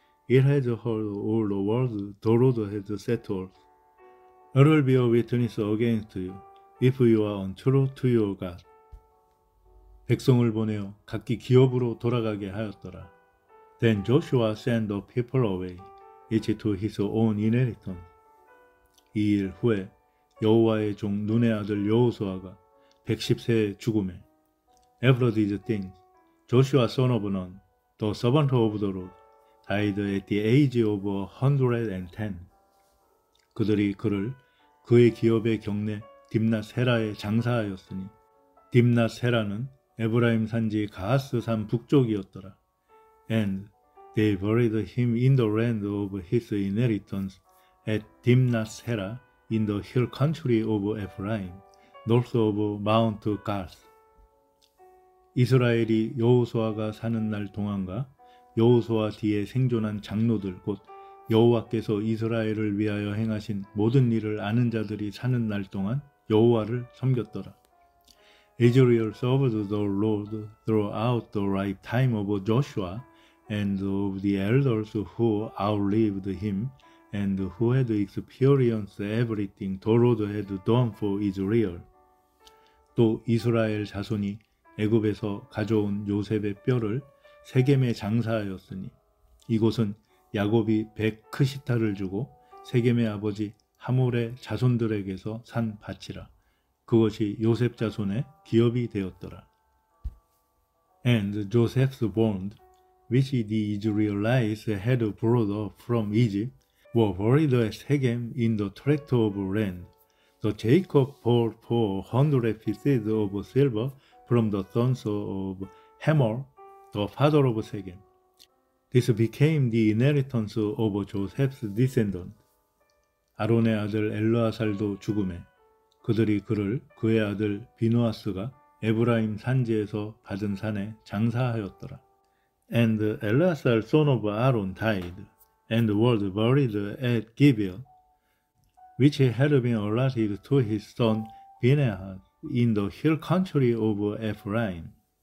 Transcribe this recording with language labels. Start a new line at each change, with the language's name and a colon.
English: It has heard all the words the Lord has said to us. It will be a witness against you if you are untrue to your God.
Korean: 백성을 보내어 각기 기업으로 돌아가게 하였더라.
English: Then Joshua sent the people away, each to his own inheritance.
Korean: 이 일 후에 여호와의 종 눈의 아들 여호수아가 110세에 죽음에
English: After these things, Joshua son of Nun, the servant of the Lord, died at the age of 110.
Korean: 그들이 그를 그의 기업의 경내 딤낫헤라에 장사하였으니 딤낫헤라는 에브라임 산지 가하스 산 북쪽이었더라.
English: And they buried him in the land of his inheritance at Dimnath-Sera in the hill country of Ephraim, north of Mount Gaz.
Korean: 이스라엘이 여호수아가 사는 날 동안과 여호수아 뒤에 생존한 장로들 곧 여호와께서 이스라엘을 위하여 행하신 모든 일을 아는 자들이 사는 날 동안 여호와를 섬겼더라.
English: Israel served the Lord throughout the lifetime of Joshua and of the elders who outlived him and who had experienced everything the Lord had done for Israel.
Korean: 또 이스라엘 자손이 애굽에서 가져온 요셉의 뼈를 세겜에 장사하였으니 이곳은 야곱이 백 크시타를 주고 세겜의 아버지 하몰의 자손들에게서 산 밭이라. 그것이 요셉 자손의 기업이 되었더라.
English: And Joseph's bond, which the Israelites had brought up from Egypt, were buried at Shechem in the tract of land. So Jacob bought 400 pieces of silver from the sons of Hamor, the father of Shechem. This became the inheritance of Joseph's descendant.
Korean: 아론의 아들 엘르아살도 죽음에 그들이 그를 그의 아들 비누아스가 에브라임 산지에서 받은 산에 장사하였더라.
English: And Eleazar son of Aaron died, and was buried at Gibeah, which had been allotted to his son Phinehas in the hill country of Ephraim.